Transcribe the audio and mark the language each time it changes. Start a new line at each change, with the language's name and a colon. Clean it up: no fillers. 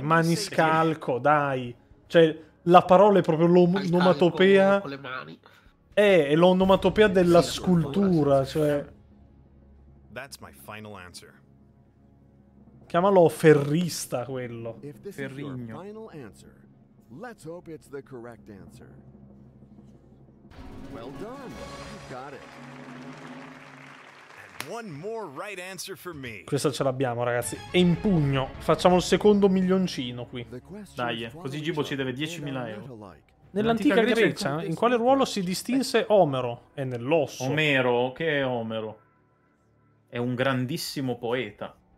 Italian: Maniscalco, dai. Cioè, la parola è proprio l'onomatopea. Con le mani. È l'onomatopea della scultura. Cioè.
English: That's my final answer.
Italian: Chiamalo ferrista quello.
English: Ferrigno. Final answer. Let's hope it's the correct answer. Well done. You got it. And one more right answer for me.
Italian: Questa ce l'abbiamo, ragazzi. È in pugno. Facciamo il secondo milioncino qui. Dai, così Gibo ci deve 10.000 euro. Nell'antica Grecia, in quale ruolo si distinse Omero? È nell'osso. Omero? Che è Omero? È un grandissimo poeta.